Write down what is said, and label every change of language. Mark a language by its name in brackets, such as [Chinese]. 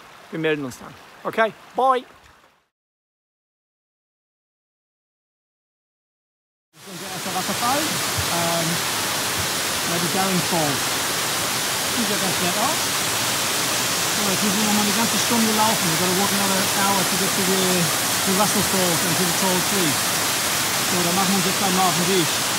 [German] Wir melden uns dann. Okay, bye. Das ist unser erster Wasserfall, bei den Barren Falls. Sieht ja ganz nett aus. So, jetzt müssen wir noch mal eine ganze Stunde laufen. [English] We've got to walk another hour to get to the Russell Falls and to the tall tree. [German] So, da machen wir uns jetzt dann mal auf den Weg.